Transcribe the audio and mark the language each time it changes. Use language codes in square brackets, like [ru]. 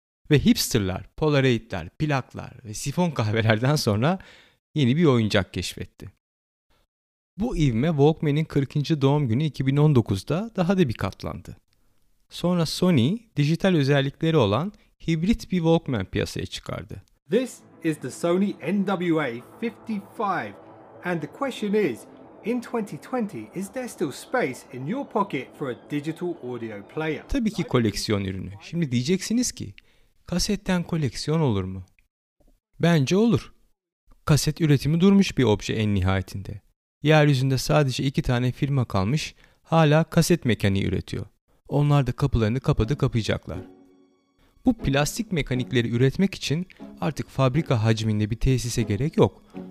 [tr] Ve hipsterler, polaroidler, plaklar ve sifon kahvelerden sonra yeni bir oyuncak keşfetti. Bu ivme Walkman'in 40. doğum günü 2019'da daha da bir katlandı. Sonra Sony, dijital özellikleri olan hibrit bir Walkman piyasaya çıkardı. [en] This is the Sony NWA-55 and the question is, in 2020, is there still space in your pocket for a digital audio player? [tr] Tabii ki koleksiyon ürünü. Şimdi diyeceksiniz ki, kasetten koleksiyon olur mu? Bence olur. Kaset üretimi durmuş bir obje en nihayetinde. Yeryüzünde sadece iki tane firma kalmış, hala kaset mekaniği üretiyor. Onlar da kapılarını kapadı kapayacaklar. Bu plastik mekanikleri üretmek için artık fabrika hacminde bir tesise gerek yok.